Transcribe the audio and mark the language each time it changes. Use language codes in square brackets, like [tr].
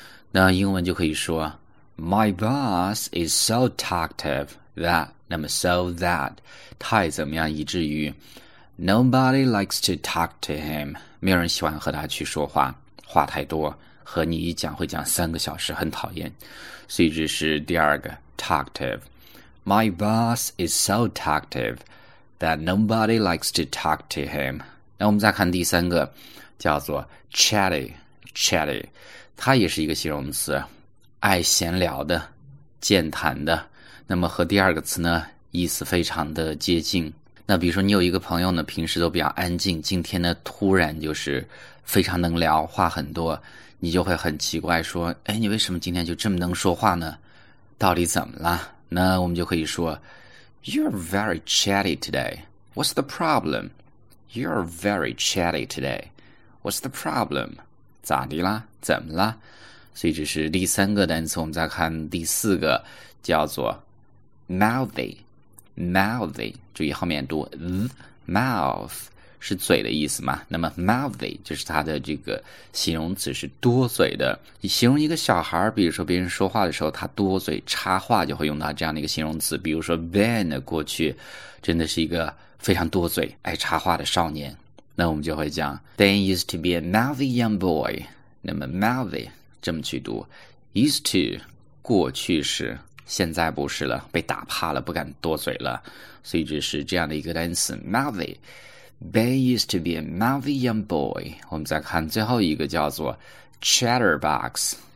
[zh] 那英文就可以说， [en] My boss is so talkative that， [zh] 那么 so that，太怎么样，以至于， [en] Nobody likes to talk to him， [zh] 没有人喜欢和他去说话，话太多。和你一讲会讲3个小时，很讨厌，所以这是第二个 talkative。 [en] My boss is so talkative that nobody likes to talk to him。 [zh] 那我们再看第三个，叫做 chatty，chatty，它也是一个形容词，爱闲聊的、健谈的。那么和第二个词呢，意思非常的接近。那比如说你有一个朋友呢，平时都比较安静，今天呢突然就是非常能聊，话很多。你就会很奇怪，说，哎，你为什么今天就这么能说话呢？到底怎么了？那我们就可以说， [en] You're very chatty today. What's the problem? You're very chatty today. What's the problem? [zh] 咋的啦？怎么啦？所以这是第三个单词，我们再看第四个，叫做 mouthy，mouthy，注意后面读 th，mouth。是嘴的意思嘛？那么 mouthy 就是它的这个形容词，是多嘴的。你形容一个小孩，比如说别人说话的时候，他多嘴插话，就会用到这样的一个形容词。比如说 Ben 的过去，真的是一个非常多嘴、爱插话的少年。那我们就会讲 [en] Ben used to be a mouthy young boy。 [zh] 那么 mouthy 这么去读，used to 过去式，现在不是了，被打怕了，不敢多嘴了。所以这是这样的一个单词 mouthy。 [en] Ben used to be a mouthy young boy。 [zh] 我们再看最后一个叫做 chatterbox。